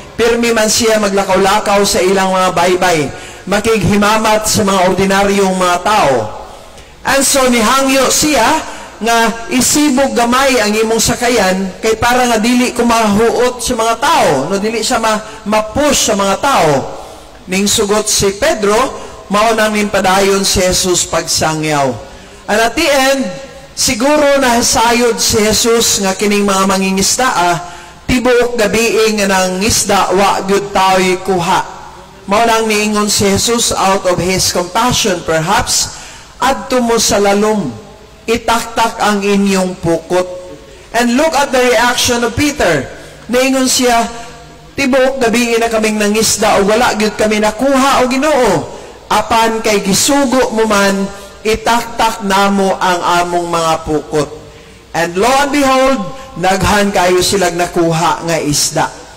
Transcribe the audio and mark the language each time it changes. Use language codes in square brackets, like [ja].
[ceb] Pirmi man siya maglakaw-lakaw sa ilang mga baybay, makighimamat sa mga ordinaryong mga tao. [en] And so [ceb] nihangyo siya nga isibog gamay ang imong sakayan kay para nga dili kumahuot sa mga tao, no? Dili siya ma-push sa mga tao. Ning sugot si Pedro, mao nang nimpadayon si Jesus pagsangyaw. [en] And at the end, [ceb] siguro nahisayod si Jesus nga kining mga mangingisda, tibuok gabi nga nang isda wa gyud tawo'y kuha. Mao nang niingon si Jesus [en] out of his compassion perhaps, [ceb] adto mo sa lalom, itaktak ang inyong pukot. [en] And look at the reaction of Peter. [ceb] Naingon siya, tibok, gabi na kaming nangisda o wala, gud kami nakuha o Ginoo. Apan kay gisugo mo man, itaktak namo ang among mga pukot. [en] And lo and behold, [ceb] naghan kayo silag nakuha nga isda.